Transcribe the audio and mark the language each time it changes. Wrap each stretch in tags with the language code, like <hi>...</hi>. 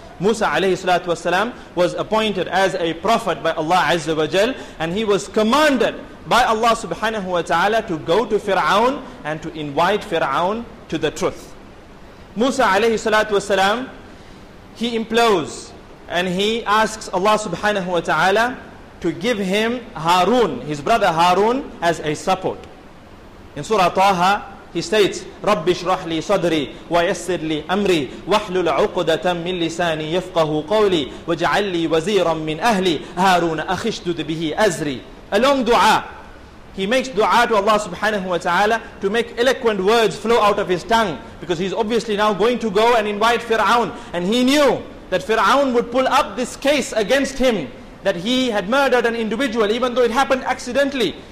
<en>Musa alayhi salatu wasalam was appointed as a prophet by Allah azza wa jal, and he was commanded by Allah subhanahu wa ta'ala to go to Fir'aun and to invite Fir'aun to the truth. Musa alayhi salatu wasalam, he implores and he asks Allah subhanahu wa ta'ala to give him Harun, his brother Harun, as a support. In Surah Taha, he states,</en> <ar>رَبِّ شْرَحْ لِي صَدْرِي وَيَسِّرْ لِي أَمْرِي وَحْلُلْ عُقُدَةً مِّن لِسَانِي يَفْقَهُ قَوْلِي وَجَعَلْ لِي وَزِيرًا مِّنْ أَهْلِي هَارُونَ أَخِشْدُدْ بِهِ أَزْرِي.</ar> <en>A long dua. He makes dua to Allah subhanahu wa ta'ala to make eloquent words flow out of his tongue, because he's obviously now going to go and invite Fir'aun. And he knew that Fir'aun would pull up this case against him that he had murdered an individual, even though it happened accidentally.</en>